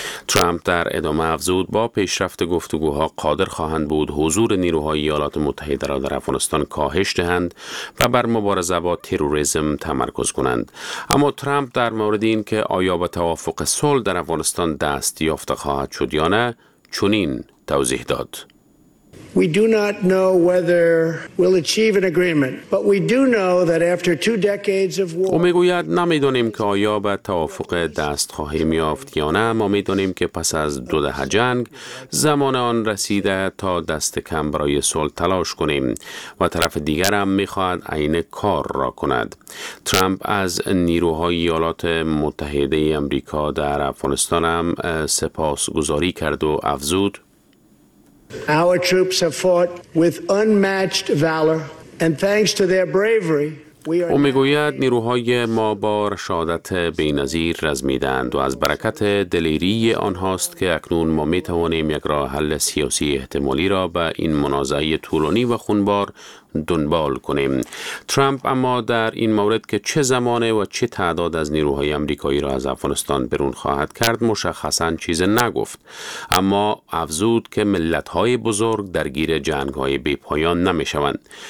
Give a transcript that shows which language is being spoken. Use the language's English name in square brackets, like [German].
[Persian] ترامپ در ادامه افزود با پیشرفت گفتگوها قادر خواهند بود حضور نیروهای ایالات متحده را در افغانستان کاهش دهند و بر مبارزه با تروریسم تمرکز کنند. اما ترامپ در مورد این که آیا به توافق صلح در افغانستان دست یافته خواهد شد یا نه چنین توضیح داد. [English] We do not know whether we'll achieve an agreement, but we do know that after two decades of war. [Persian] او میگوید نمیدانیم که آیا به توافق دست خواهیم یافت یا نه، اما میدانیم که پس از دو دهه جنگ زمان آن رسیده تا دست کم برای صلح تلاش کنیم و طرف دیگر هم میخواهد عین کار را کند. ترامپ از نیروهای ایالات متحده آمریکا در افغانستان هم سپاسگزاری کرد و افزود [English] Our troops have fought with unmatched valor, and thanks to their bravery, [Persian] او میگوید نیروهای ما با رشادت بی‌نظیر رزمیدند و از برکت دلیری آنهاست که اکنون ما میتوانیم یک راه حل سیاسی احتمالی را به این منازعه طولانی و خونبار دنبال کنیم. ترامپ اما در این مورد که چه زمانه و چه تعداد از نیروهای آمریکایی را از افغانستان بیرون خواهد کرد مشخصاً چیز نگفت، اما افزود که ملت‌های بزرگ درگیر جنگ‌های بی‌پایان نمی‌شوند.